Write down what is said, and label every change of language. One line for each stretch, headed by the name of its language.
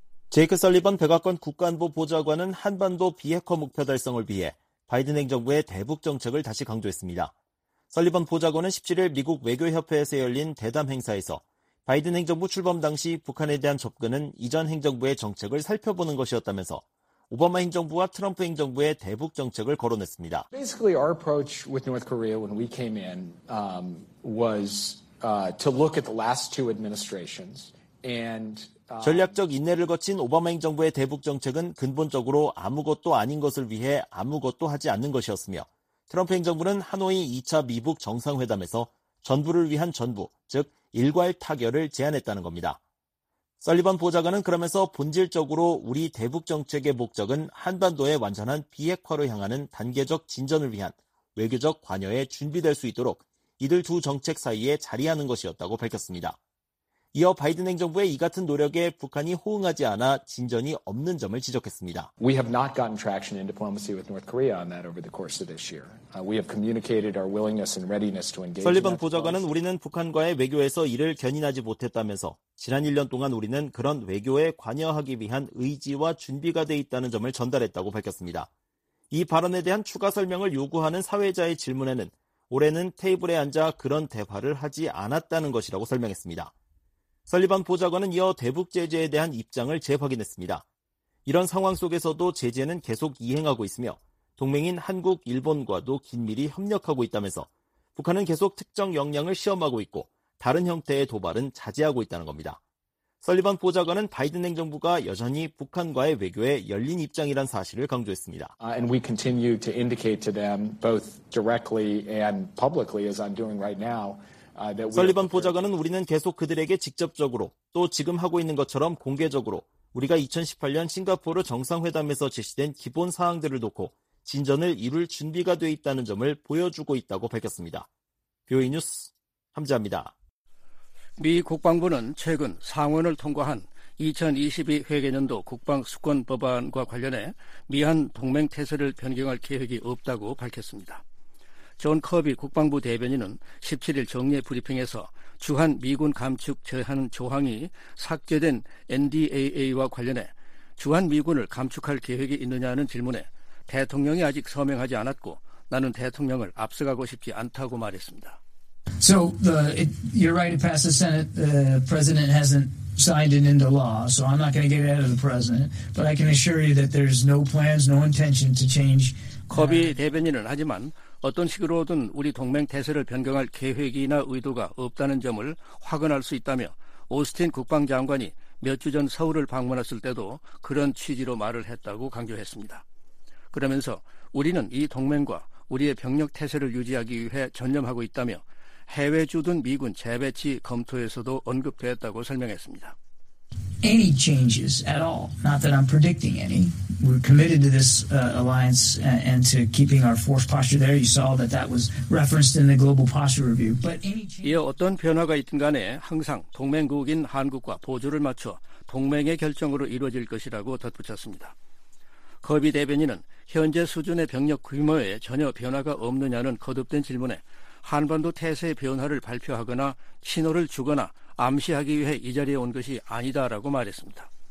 Korean: 제이크 설리번 백악관 국가안보보좌관은 한반도 비핵화 목표 달성을 위해 바이든 행정부의 대북 정책을 다시 강조했습니다. 설리번 보좌관은 17일 미국 외교협회에서 열린 대담 행사에서 바이든 행정부 출범 당시 북한에 대한 접근은 이전 행정부의 정책을 살펴보는 것이었다면서 오바마 행정부와 트럼프 행정부의 대북 정책을 거론했습니다.
English: Basically, our approach with North Korea when we came in was to look at the last two administrations and
Korean: 전략적 인내를 거친 오바마 행정부의 대북 정책은 근본적으로 아무것도 아닌 것을 위해 아무것도 하지 않는 것이었으며 트럼프 행정부는 하노이 2차 미북 정상회담에서 전부를 위한 전부, 즉 일괄 타결을 제안했다는 겁니다. 설리번 보좌관은 그러면서 본질적으로 우리 대북 정책의 목적은 한반도의 완전한 비핵화로 향하는 단계적 진전을 위한 외교적 관여에 준비될 수 있도록 이들 두 정책 사이에 자리하는 것이었다고 밝혔습니다. 이어 바이든 행정부의 이 같은 노력에 북한이 호응하지 않아 진전이 없는 점을 지적했습니다.
English: We have not gotten traction in diplomacy with North Korea on that over the course of this year. We have communicated our willingness and readiness to engage.
Korean: 설리번 보좌관은 우리는 북한과의 외교에서 이를 견인하지 못했다면서 지난 1년 동안 우리는 그런 외교에 관여하기 위한 의지와 준비가 돼 있다는 점을 전달했다고 밝혔습니다. 이 발언에 대한 추가 설명을 요구하는 사회자의 질문에는 올해는 테이블에 앉아 그런 대화를 하지 않았다는 것이라고 설명했습니다. 설리번 보좌관은 이어 대북 제재에 대한 입장을 재확인했습니다. 이런 상황 속에서도 제재는 계속 이행하고 있으며 동맹인 한국, 일본과도 긴밀히 협력하고 있다면서 북한은 계속 특정 역량을 시험하고 있고 다른 형태의 도발은 자제하고 있다는 겁니다. 설리번 보좌관은 바이든 행정부가 여전히 북한과의 외교에 열린 입장이란 사실을 강조했습니다.
English: And we continue to indicate to them both directly and publicly as I'm doing right now.
Korean: 설리번 보좌관은 우리는 계속 그들에게 직접적으로 또 지금 하고 있는 것처럼 공개적으로 우리가 2018년 싱가포르 정상회담에서 제시된 기본 사항들을 놓고 진전을 이룰 준비가 돼 있다는 점을 보여주고 있다고 밝혔습니다. 뷰이 뉴스 함재합니다. 미 국방부는 최근 상원을 통과한 2022 회계연도 국방수권법안과 관련해 미한 동맹 태세를 변경할 계획이 없다고 밝혔습니다. 존 커비 국방부 대변인은 17일 정례 브리핑에서 주한 미군 감축 제한 조항이 삭제된 NDAA와 관련해 주한 미군을 감축할 계획이 있느냐는 질문에 대통령이 아직 서명하지 않았고 나는 대통령을 앞서가고 싶지 않다고 말했습니다.
English: So you're right, it passed the Senate. The president hasn't signed it into law, so I'm not going to get it out of the president. But I can assure you that there's no plans, no intention to change.
Korean: 커비 대변인은 하지만 어떤 식으로든 우리 동맹 태세를 변경할 계획이나 의도가 없다는 점을 확언할 수 있다며 오스틴 국방장관이 몇 주 전 서울을 방문했을 때도 그런 취지로 말을 했다고 강조했습니다. 그러면서 우리는 이 동맹과 우리의 병력 태세를 유지하기 위해 전념하고 있다며 해외 주둔 미군 재배치 검토에서도 언급되었다고 설명했습니다.
English: Any changes at all? Not that I'm predicting any, we're committed to this alliance and to keeping our force posture there. You saw that that was referenced in the global posture review. But any change...
Korean: 이어 어떤 변화가 있든 간에 항상 동맹국인 한국과 보조를 맞춰 동맹의 결정으로 이루어질 것이라고 덧붙였습니다. 커비 대변인은 현재 수준의 병력 규모에 전혀 변화가 없느냐는 거듭된 질문에 한반도 태세의 변화를 발표하거나 신호를 주거나 암시하기 위해 이 자리에 온 것이 아니다라고 말했습니다.